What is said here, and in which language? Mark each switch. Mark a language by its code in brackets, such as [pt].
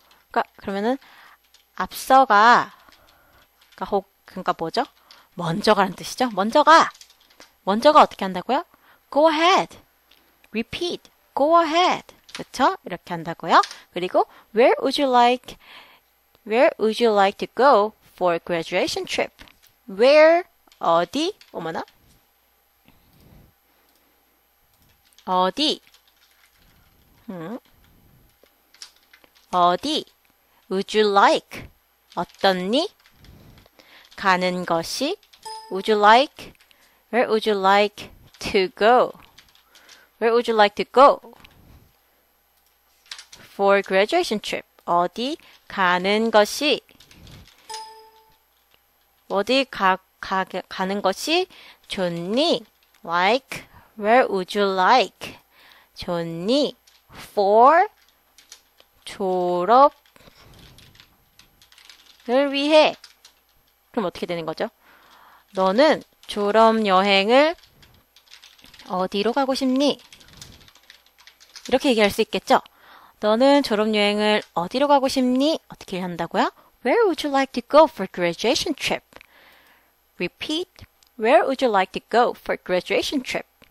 [ko] 그러니까 그러면은 앞서가 그러니까 뭐죠? 먼저가란 뜻이죠. 먼저가 어떻게 한다고요? [en] go ahead. repeat. go ahead. [ko] 그렇죠? 이렇게 한다고요. [en] 그리고 where would you like to go for graduation trip? [ko] Where, 어디, 어머나? [en] 어디, would you like, 어떻니? [ko] 가는 것이, [en] where would you like to go? Where would you like to go for graduation trip? [ko] 어디 가는 것이, 가는 것이 좋니? [en] Like, where would you like? [ko] 좋니? For 졸업을 위해. 그럼 어떻게 되는 거죠? 너는 졸업 여행을 어디로 가고 싶니? 이렇게 얘기할 수 있겠죠? 너는 졸업 여행을 어디로 가고 싶니? 어떻게 한다고요? [en] Where would you like to go for graduation trip? Repeat. Where would you like to go for graduation trip?